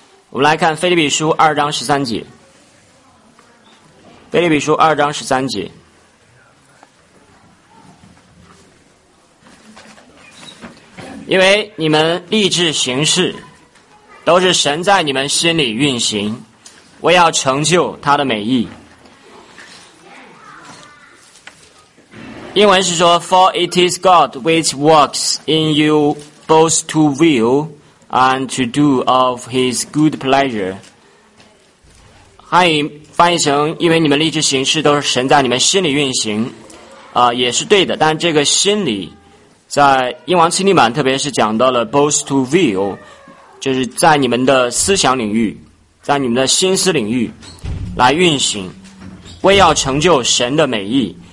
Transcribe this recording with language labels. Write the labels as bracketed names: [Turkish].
[Chinese] 我们来看腓立比书二章十三节，腓立比书二章十三节，因为你们立志行事都是神在你们心里运行，我要成就他的美意。英文是说 [English] For it is God which works in you both to will and to do of his good pleasure。 [Chinese] 汉语翻译成因为你们立志行事都是神在你们心里运行，也是对的，但这个心里在英王钦定版特别是讲到了 [English] both to will， [Chinese] 就是在你们的思想领域，在你们的心思领域来运行，为要成就神的美意。